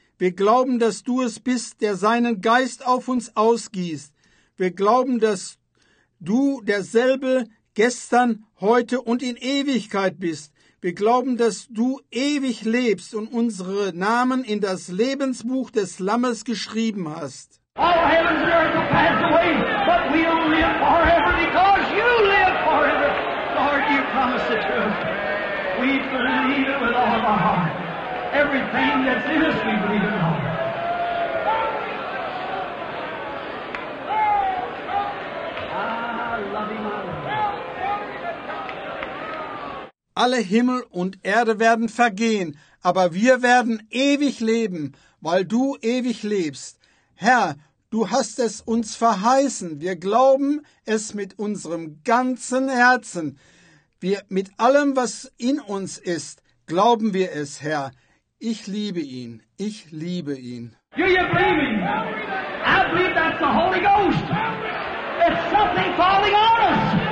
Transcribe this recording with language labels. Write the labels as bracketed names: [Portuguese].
[German] Wir glauben, dass du es bist, der seinen Geist auf uns ausgießt. Wir glauben, dass du derselbe gestern, heute und in Ewigkeit bist. Wir glauben, dass du ewig lebst und unsere Namen in das Lebensbuch des Lammes geschrieben hast. [English] All heavens and earth will pass away, but we'll live forever because you live forever. Lord, you promised it to us. We believe it with all of our heart. Everything that's in us, we believe in all. I love you, my Lord. [German] Alle Himmel und Erde werden vergehen, aber wir werden ewig leben, weil du ewig lebst. Herr, du hast es uns verheißen. Wir glauben es mit unserem ganzen Herzen. Wir mit allem, was in uns ist, glauben wir es, Herr. Ich liebe ihn. Ich liebe ihn. [English] Do you believe me? I believe that's the Holy Ghost. It's something falling on us.